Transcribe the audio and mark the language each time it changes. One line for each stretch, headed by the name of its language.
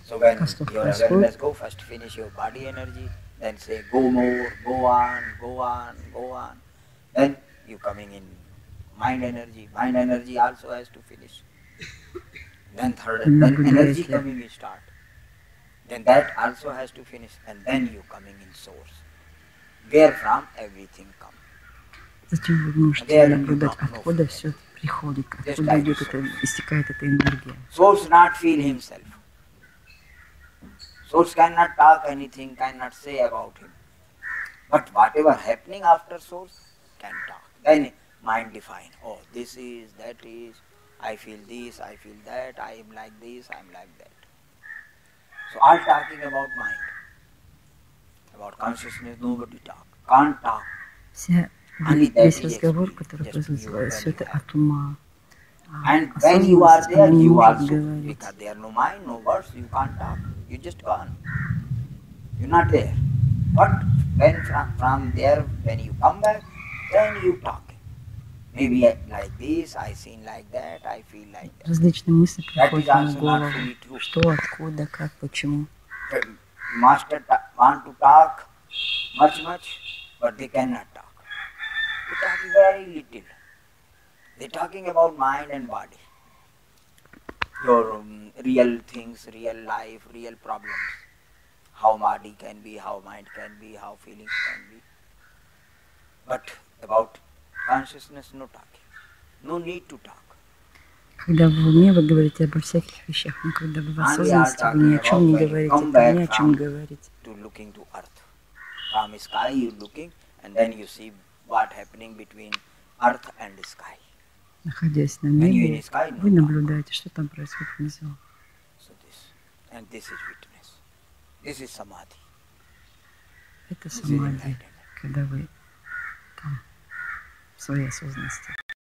English: So when your awareness go, first finish your body energy, then say go more, go on, go on, go on. Then you coming in mind energy. Mind energy also has to finish. Then third, then energy coming in start. Then that also has to finish, and then you coming in source. Where from everything come.
Russian: Зачем вы можете наблюдать, откуда все приходит, откуда идет это, истекает эта энергия?
English: Source not feel himself. Source cannot talk anything, cannot say about him. But whatever happening after source can talk. Then mind define. Oh, this is, that is. I feel this, I feel that. I am like this, I am like that. So all talking about mind, about consciousness, nobody talk, can't talk.
Russian: Весь разговор, который происходит, все это от ума.
English: And when you are there, you are so, because there are no mind, no words, you can't talk, you just gone. You're not there. But when from there, when you come back, then you talk. Maybe like this, I seen like that, I feel like that.
Russian: Различные мысли приходят в голову. Что, откуда, как, почему.
English: Master want to talk much, but they cannot talk. They talk very little. They're talking about mind and body. Your real things, real life, real problems. How body can be, how mind can be, how feelings can be. But about consciousness, no talking. No need to talk.
Russian: Когда вы в уме, вы говорите обо всяких вещах, но когда вы в осознанности, вы ни о чем не говорите, вы ни о чем говорите.
English: To looking to earth. From sky you looking, and then you see what happening between earth and the sky.
Russian: Находясь на небе, вы наблюдаете, что там происходит внизу.
English: So this, and this is witness. This is samadhi.
Russian: Это самадхи, когда вы там, в своей осознанности.